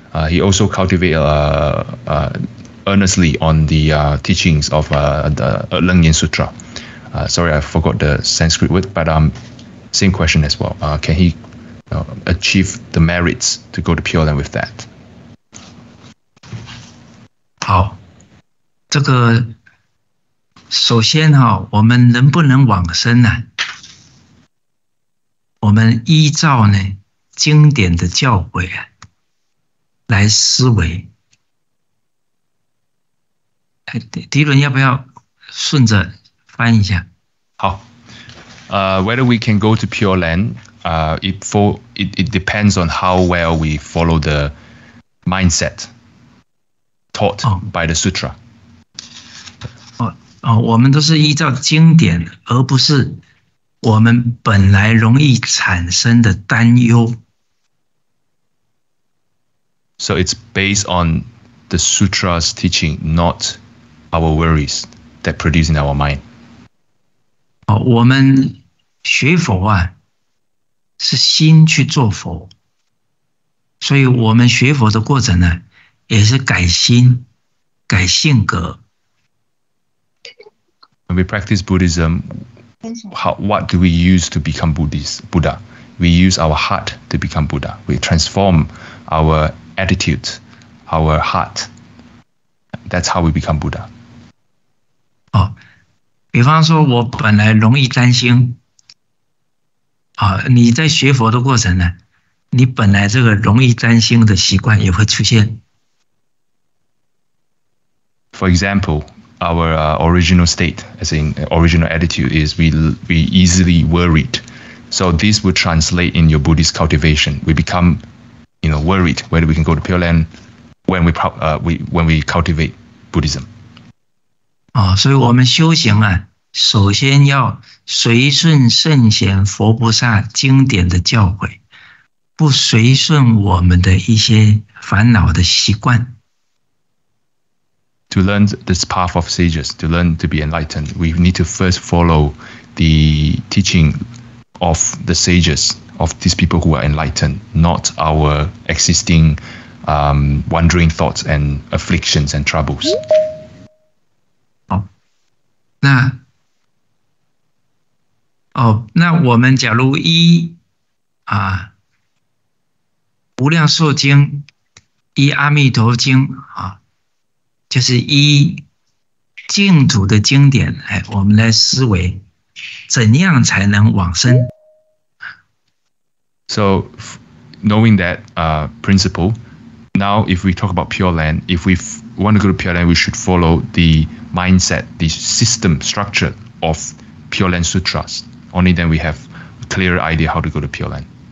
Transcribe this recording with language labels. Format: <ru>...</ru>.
<en>He also cultivated earnestly on the teachings of the Leng Yan Sutra. Sorry, I forgot the Sanskrit word, but same question as well. Can he achieve the merits to go to Pure Land with that?</en> <zh>好，这个首先哈，我们能不能往生呢？我们依照呢经典的教诲啊来思维。迪伦要不要顺着翻一下？</zh> <en>好，whether we can go to Pure Land, it depends on how well we follow the mindset taught by the sutra.</en> <zh>我们都是依照经典，而不是我们本来容易产生的担忧。</zh> <en>So it's based on the sutra's teaching, not our worries that produce in our mind.</en> <zh>我们学佛啊，是心去做佛，所以我们学佛的过程呢，也是改心、改性格。</zh> <en>When we practice Buddhism, what do we use to become Buddha? We use our heart to become Buddha. We transform our attitude, our heart. That's how we become Buddha.</en> <zh>比方说我本来容易担心，你在学佛的过程呢，你本来这个容易担心的习惯也会出现。</zh> <en>For example, our original state, as in original attitude, is we easily worried. So this would translate in your Buddhist cultivation. We become, you know, worried whether we can go to Pure Land when we cultivate Buddhism.</en> <zh>所以我们修行啊，首先要随顺圣贤佛菩萨经典的教诲，不随顺我们的一些烦恼的习惯。</zh> <en>to learn this path of sages, to learn to be enlightened, we need to first follow the teaching of the sages, of these people who are enlightened, not our existing wandering thoughts and afflictions and troubles.</en> <zh>那我们假如《无量寿经》依《阿弥陀经》就是依净土的经典，我们来思维怎样才能往生。</zh> <en>So, knowing that principle, now if we talk about Pure Land, if we want to go to Pure Land, we should follow the mindset, the system structure of Pure Land Sutras. Only then we have a clear idea how to go to Pure Land.</en>